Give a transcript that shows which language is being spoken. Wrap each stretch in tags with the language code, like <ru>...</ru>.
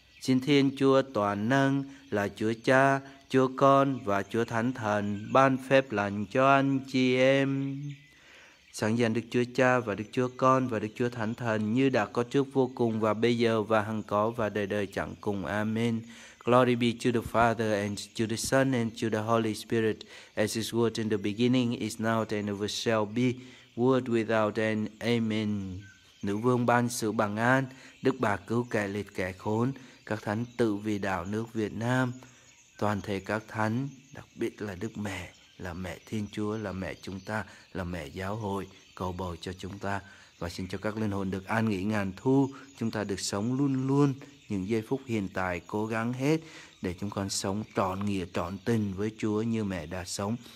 <vi>Xin Thiên Chúa toàn năng là Chúa Cha, Chúa Con và Chúa Thánh Thần ban phép lành cho anh chị em. Sáng danh Đức Chúa Cha và Đức Chúa Con và Đức Chúa Thánh Thần như đã có trước vô cùng và bây giờ và hằng có và đời đời chẳng cùng. Amen.</vi> <en>Glory be to the Father and to the Son and to the Holy Spirit, as it was in the beginning, is now and ever shall be, world without end. Amen.</en> <vi>Nữ vương ban sự bằng an, Đức Bà cứu kẻ lịt kẻ khốn, các thánh tự vì đạo nước Việt Nam, toàn thể các thánh, đặc biệt là Đức Mẹ, là Mẹ Thiên Chúa, là Mẹ chúng ta, là Mẹ Giáo hội, cầu bầu cho chúng ta. Và xin cho các linh hồn được an nghỉ ngàn thu, chúng ta được sống luôn luôn những giây phút hiện tại, cố gắng hết để chúng con sống trọn nghĩa, trọn tình với Chúa như Mẹ đã sống.</vi>